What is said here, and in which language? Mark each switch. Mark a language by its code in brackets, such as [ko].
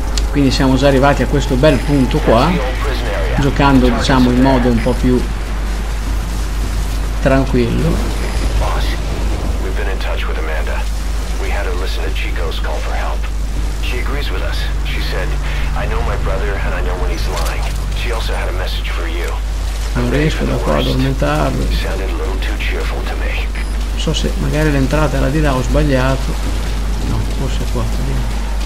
[it] Quindi siamo già arrivati a questo bel punto qua, giocando diciamo in modo un po' più tranquillo. [en] Boss, we've been in touch with Amanda. We had her listen to Chico's call for help. She agrees with us. She said, I know my brother and I know when he's lying. She also had a message for you. [it] riesco da qua ad addormentarlo. Non so se magari l'entrata era di là, ho sbagliato. No, forse qua. Vediamo.